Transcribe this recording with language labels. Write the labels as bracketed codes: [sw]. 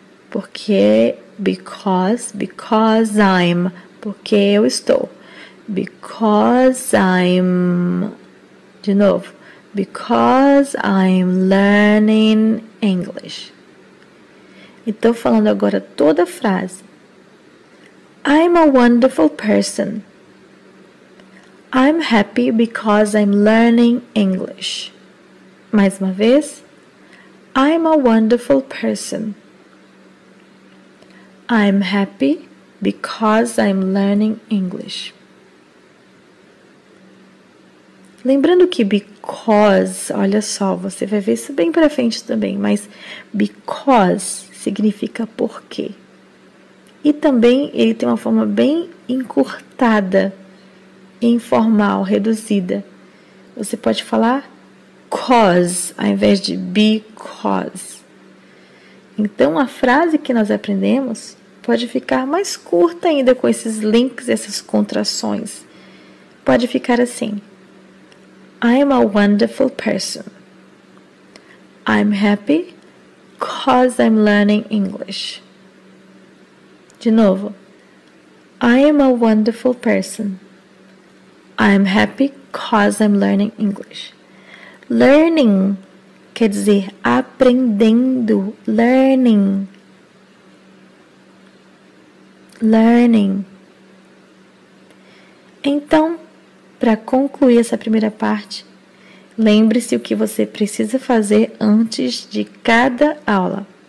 [pt] Porque, [en] because I'm, [pt] porque eu estou. [en] Because I'm, [pt] de novo, [en] because I'm learning English. [pt] Então, falando agora toda a frase. [en] I'm a wonderful person. I'm happy because I'm learning English. [pt] Mais uma vez. [en] I'm a wonderful person. I'm happy because I'm learning English. [pt] Lembrando que because, olha só, você vai ver isso bem para frente também, mas because significa porque. E também ele tem uma forma bem encurtada, informal, reduzida. Você pode falar cause ao invés de because. Então, a frase que nós aprendemos pode ficar mais curta ainda com esses links, essas contrações. Pode ficar assim. [en] I'm a wonderful person. I'm happy because I'm learning English. [pt] De novo, [en] I am a wonderful person. I am happy because I'm learning English. [pt] Learning quer dizer aprendendo. [en] Learning. Learning. [pt] Então, para concluir essa primeira parte, lembre-se o que você precisa fazer antes de cada aula.